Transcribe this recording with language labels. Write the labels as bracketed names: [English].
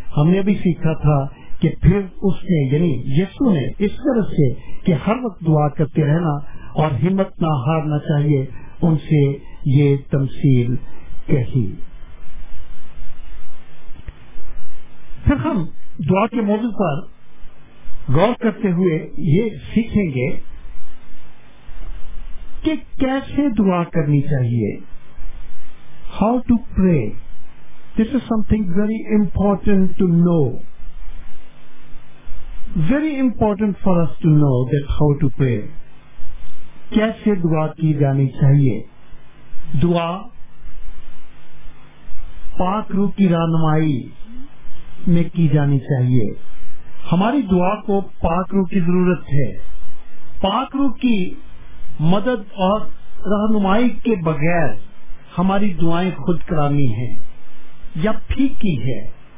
[Urdu] ہم نے بھی سیکھا تھا کہ پھر اس نے یعنی یسوع نے اس طرح سے کہ ہر وقت دعا کرتے رہنا اور ہمت نہ ہارنا چاہیے ان سے یہ تمثیل کہی. پھر ہم دعا کے موضوع پر غور کرتے ہوئے یہ سیکھیں گے کہ کیسے دعا کرنی چاہیے. [English] How to pray. This is something very important to know. Very important for us to know that how to pray. [Urdu] کیسے دعا کی جانی چاہیے. دعا پاک روح کی رہنمائی میں کی جانی چاہیے. ہماری دعا کو پاک روح کی ضرورت ہے. پاک روح کی مدد اور رہنمائی کے بغیر ہماری دعائیں خود کرانی ہیں یا پھیکی ہے.